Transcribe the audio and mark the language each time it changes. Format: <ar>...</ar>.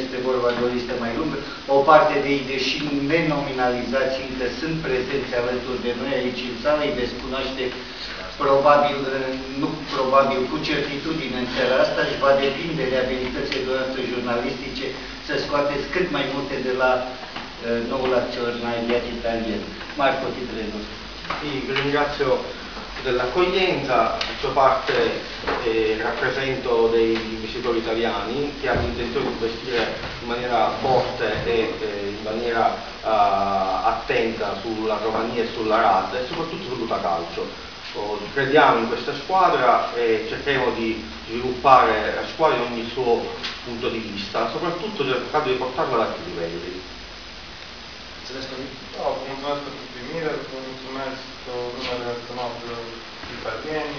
<ro>Este vorba de o listă mai lungă. O parte de ei, deși nenominalizați, încă sunt prezenți alături de noi aici în sală, îi veți cunoaște probabil, nu probabil, cu certitudine în seara asta, și va depinde de abilitățile dumneavoastră jurnalistice să scoateți cât mai multe de la noul acționariat italien. Marco, titrenu.</ro> <it>Ringrazio dell'accoglienza, faccio parte e rappresento dei investitori italiani che hanno intenzione di investire in maniera forte e in maniera attenta sulla Romania e sulla RAD e soprattutto sull'UTA Calcio. Crediamo in questa squadra e cerchiamo di sviluppare la squadra in ogni suo punto di vista, soprattutto cercando di portarla ad altri livelli.</it> <ro>Mulțumesc pentru primire, mulțumesc numele acționarilor italieni.</ro>